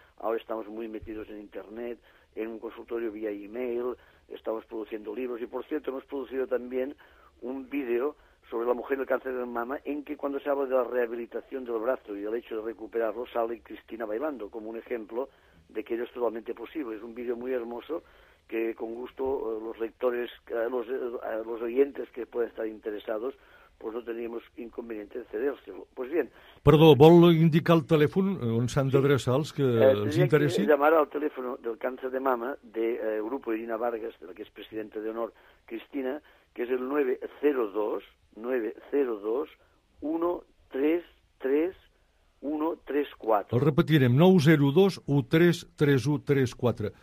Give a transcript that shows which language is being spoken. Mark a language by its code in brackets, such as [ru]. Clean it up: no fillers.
[es] Ahora estamos muy metidos en internet, en un consultorio vía email, estamos produciendo libros y, por cierto, hemos producido también un vídeo sobre la mujer del cáncer de mama en que cuando se habla de la rehabilitación del brazo y el hecho de recuperarlo sale Cristina bailando como un ejemplo de que ello es totalmente posible. Es un vídeo muy hermoso que con gusto los lectores, los oyentes que pueden estar interesados, pues no teníamos inconveniente de cedérselo. Pues bien. [ca] Perdó, ¿vol indicar el telèfon on s'han d'adreçar els que els interessin? [es] Que llamar al teléfono del cáncer de mama de grupo Irina Vargas, de la que es presidenta de honor Cristina, que es el 902-902-133-134. [ca] El repetirem, 902-133-134.